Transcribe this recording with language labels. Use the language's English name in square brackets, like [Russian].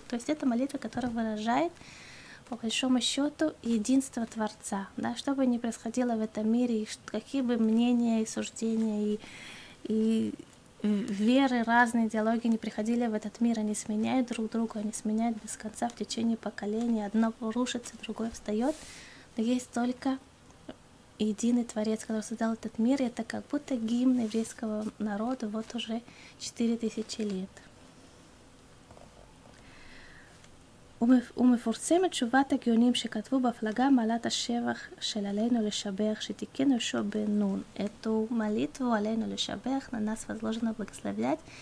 [Russian] То есть это молитва, которая выражает по большому счету единство Творца, да, что бы ни происходило в этом мире, и какие бы мнения и суждения и веры, разные диалоги не приходили в этот мир, они сменяют друг друга, они сменяют без конца в течение поколений, одно рушится, другое встает, но есть только единый Творец, который создал этот мир, и это как будто гимн еврейского народа вот уже 4000 лет. [Hebrew] ומפורסמת תשובת הגאונים שכתבו בפלגה מעלת השבח של עלינו לשבח שתיקן יהושע בן נון. [Russian] Эту молитву עלינו לשבח на нас возложено благословлять.